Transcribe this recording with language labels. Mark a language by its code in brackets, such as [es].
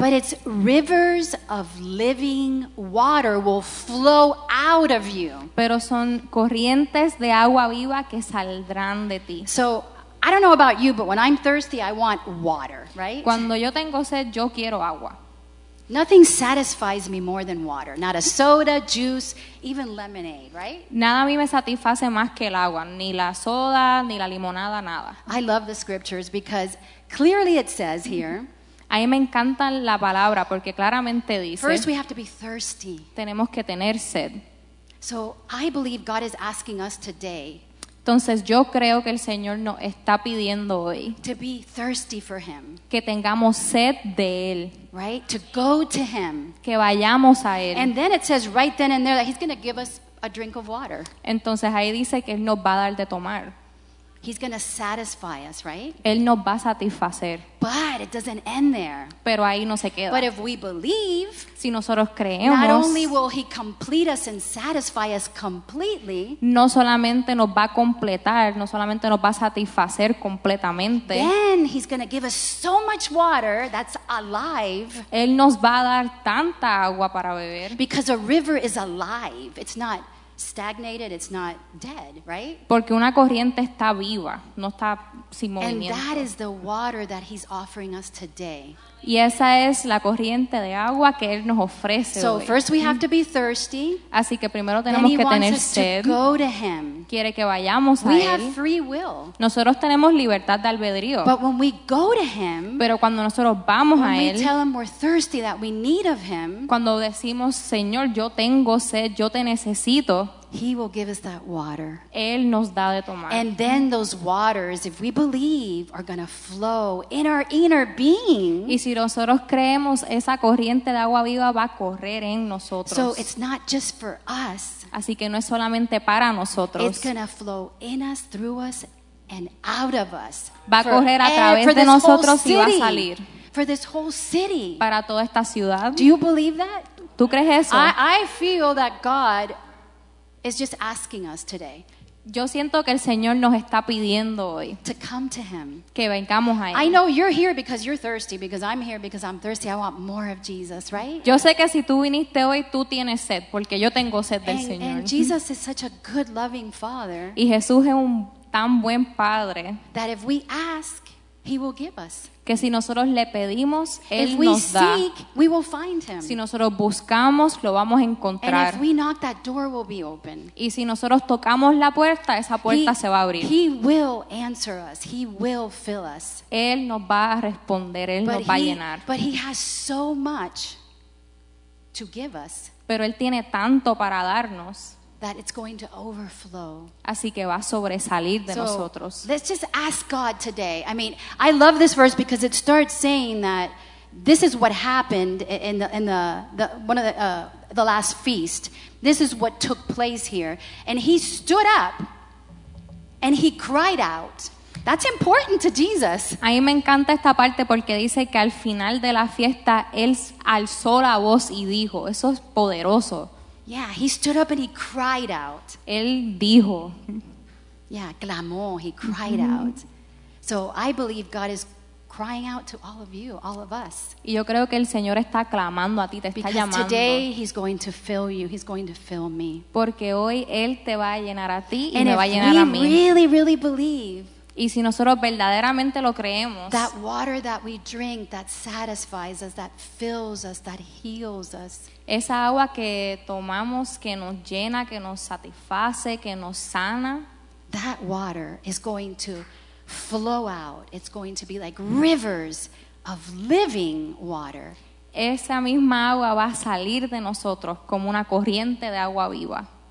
[en] but it's rivers of living water will flow out of you. [es] Pero son corrientes de agua viva que saldrán de ti. [en] So, I don't know about you, but when I'm thirsty, I want water, right? [es] Cuando yo tengo sed, yo quiero agua. [en] Nothing satisfies me more than water. Not a soda, juice, even lemonade, right? [es] Nada a mí me satisface más que el agua. Ni la soda, ni la limonada, nada. [en] I love the scriptures because clearly it says here. [es] A mí me encanta la palabra porque claramente dice. [en] First we have to be thirsty. [es] Tenemos que tener sed. [en] So I believe God is asking us today. [es] Entonces yo creo que el Señor nos está pidiendo hoy [en] to be thirsty for him. [es] Que tengamos sed de él, [en] right? To go to him. [es] Que vayamos a él. [en] And then it says right then and there that he's going to give us a drink of water. [es] Entonces ahí dice que él nos va a dar de tomar. [en] He's going to satisfy us, right? [es] Él nos va a satisfacer. [en] But it doesn't end there. [es] Pero ahí no se queda. [en] But if we believe, [es] si nosotros creemos, [en] not only will he complete us and satisfy us completely, [es] no solamente nos va a completar, no solamente nos va a satisfacer completamente, [en] then he's going to give us so much water that's alive. [es] Él nos va a dar tanta agua para beber. [en] Because a river is alive. It's not stagnated, it's not dead, right? [es] Porque una corriente está viva, no está sin movimiento. [en] And that is the water that he's offering us today. [es] Y esa es la corriente de agua que él nos ofrece [en] so [es] hoy. [en] So first we have to be thirsty. [es] Así que primero tenemos que tener sed. [en] Then he wants us to go to him. [es] Quiere que vayamos [en] we [es] a él. [en] We have free will. [es] Nosotros tenemos libertad de albedrío. [en] But when we go to him, [es] pero cuando nosotros vamos a él, [en] we tell him we're thirsty, that we need of him, [es] cuando decimos, Señor, yo tengo sed, yo te necesito, [en] he will give us that water. [es] Él nos da de tomar. [en] And then those waters, if we believe, are going to flow in our inner being. [es] Y si nosotros creemos, esa corriente de agua viva va a correr en nosotros. [en] So it's not just for us. [es] Así que no es solamente para nosotros. [en] It's going to flow in us, through us, and out of us. [es] Va a correr a través de nosotros y va a salir. [en] For this whole city. [es] Para toda esta ciudad. [en] Do you believe that? [es] ¿Tú crees eso? [en] I feel that God is just asking us today. [es] Yo siento que el Señor nos está pidiendo hoy [en] to come to him. [es] Que vengamos a él. [en] I know you're here because you're thirsty, because I'm here because I'm thirsty. I want more of Jesus, right? [es] Yo sé que si tú viniste hoy, tú tienes sed, porque yo tengo sed del Señor. [en] And Jesus is such a good, loving Father. [es] Y Jesús es un tan buen padre. [en] That if we ask, he will give us. [es] Que si nosotros le pedimos, él nos da. [en] If we seek, we will find him. [es] Si nosotros buscamos, lo vamos a encontrar. [en] And if we knock, that door will be open. [es] Y si nosotros tocamos la puerta, esa puerta se va a abrir. [en] He will answer us. He will fill us. [es] Él nos va a responder, él nos va a llenar. [en] But he has so much to give us. [es] Pero él tiene tanto para darnos. [en] That it's going to overflow. [es] Así que va a sobresalir de nosotros. [en] Let's just ask God today. I mean, I love this verse because it starts saying that this is what happened in the last feast. This is what took place here. And he stood up and he cried out. That's important to Jesus. [es] A mí me encanta esta parte porque dice que al final de la fiesta él alzó la voz y dijo. Eso es poderoso. [en] Yeah, he stood up and he cried out. [es] Él dijo. [en] Yeah, clamó, he cried out. So I believe God is crying out to all of you, all of us. [es] Y yo creo que el Señor está clamando a ti, te está [en] because [es] llamando. [en] Because today he's going to fill you, he's going to fill me. [es] Porque hoy él te va a llenar a ti y [en] and [es] me va a llenar a mí. [en] And if we really, really believe. [es] Y si nosotros verdaderamente lo creemos. [en] That water that we drink that satisfies us, that fills us, that heals us. [es] Esa agua que tomamos que nos llena, que nos satisface, que nos sana. [en] That water is going to flow out. It's going to be like rivers of living water. [es] Esa misma agua va a salir de nosotros como una corriente de agua viva.